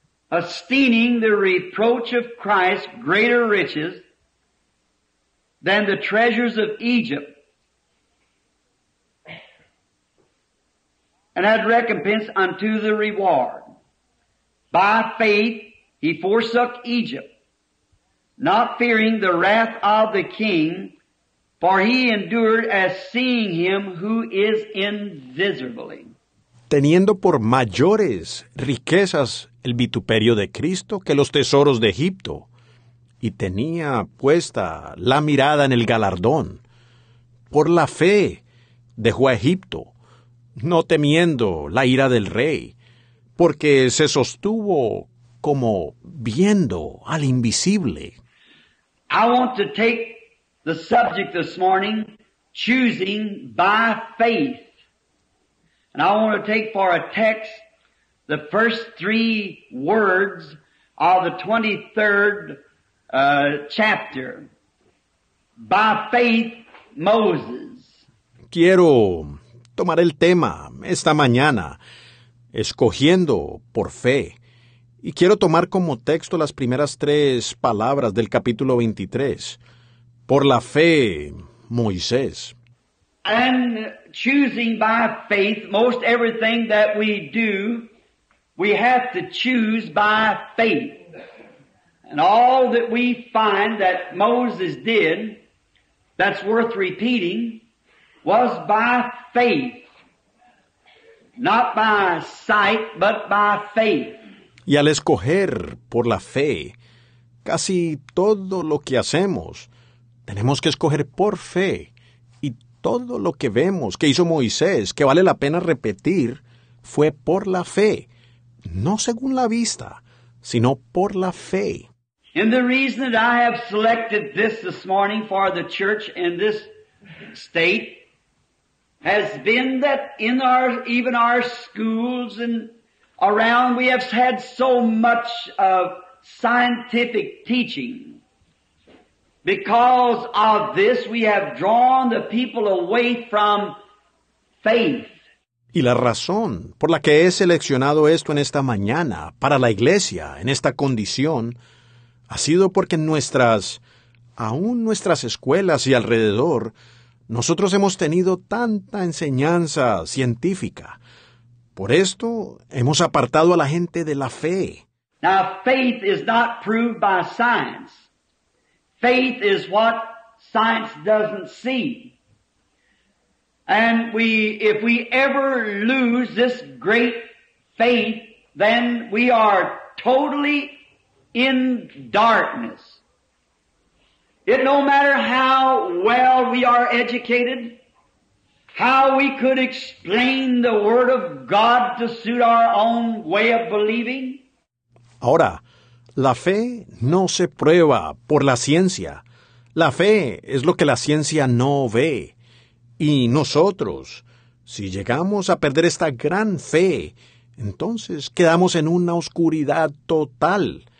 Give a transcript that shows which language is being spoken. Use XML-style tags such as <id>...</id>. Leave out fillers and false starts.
<en>Esteeming the reproach of Christ greater riches than the treasures of Egypt, and had recompense unto the reward. By faith he forsook Egypt, not fearing the wrath of the king, for he endured as seeing him who is invisible.</en> <es>Teniendo por mayores riquezas el vituperio de Cristo que los tesoros de Egipto, y tenía puesta la mirada en el galardón. Por la fe dejó a Egipto, no temiendo la ira del rey, porque se sostuvo como viendo al invisible.</es> <en>I want to take the subject this morning, choosing by faith. And I want to take for a text the first 3 words of the 23rd chapter. By faith, Moses.</en> <es>Quiero tomar el tema esta mañana, escogiendo por fe. Y quiero tomar como texto las primeras 3 palabras del capítulo 23. Por la fe, Moisés.</es> <en>And choosing by faith, most everything that we do, we have to choose by faith. And all that we find that Moses did that's worth repeating was by faith. Not by sight, but by faith.</en> <es>Y al escoger por la fe, casi todo lo que hacemos, tenemos que escoger por fe. Y todo lo que vemos que hizo Moisés, que vale la pena repetir, fue por la fe. No según la vista, sino por la fe.</es> <en>And the reason that I have selected this morning for the church in this state has been that in our, even our schools and around, we have had so much of scientific teaching. Because of this, we have drawn the people away from faith.</en> <es>Y la razón por la que he seleccionado esto en esta mañana para la iglesia en esta condición ha sido porque en nuestras escuelas y alrededor, nosotros hemos tenido tanta enseñanza científica. Por esto hemos apartado a la gente de la fe.</es> <en>Now, faith is not proved by science. Faith is what science doesn't see. And if we ever lose this great faith, then we are totally in darkness. It no matter how well we are educated, how we could explain the Word of God to suit our own way of believing.</en> <es>Ahora, la fe no se prueba por la ciencia, La fe es lo que la ciencia no ve. Y nosotros, si llegamos a perder esta gran fe, entonces quedamos en una oscuridad total.</es>